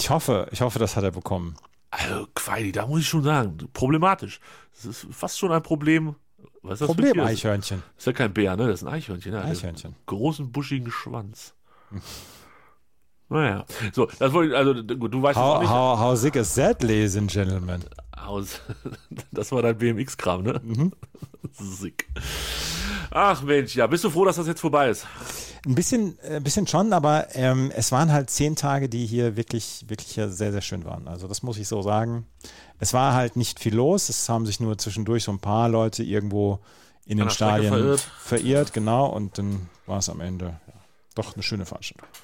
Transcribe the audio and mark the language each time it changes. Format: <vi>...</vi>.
<de>Ich hoffe, das hat er bekommen. Also, Quaidi, da muss ich schon sagen, problematisch. Das ist fast schon ein Problem. Was ist das Problem, für ein Eichhörnchen. Das ist ja kein Bär, ne? Das ist ein Eichhörnchen. Ja. Eichhörnchen. Einen großen, buschigen Schwanz. Naja, so, das wollte ich, also gut, du weißt</de> <en>how,</en> <de>es auch nicht.</de> <en>How sick is that, ladies and gentlemen?</en> <de>Das war dein BMX-Kram, ne? Mhm. Sick. Ach Mensch, ja, bist du froh, dass das jetzt vorbei ist? Ein bisschen schon, aber es waren halt 10 Tage, die hier wirklich, wirklich sehr, sehr schön waren. Also das muss ich so sagen. Es war halt nicht viel los, es haben sich nur zwischendurch so ein paar Leute irgendwo in den Stadien verirrt, genau, und dann war es am Ende. Doch, eine schöne Veranstaltung.</de>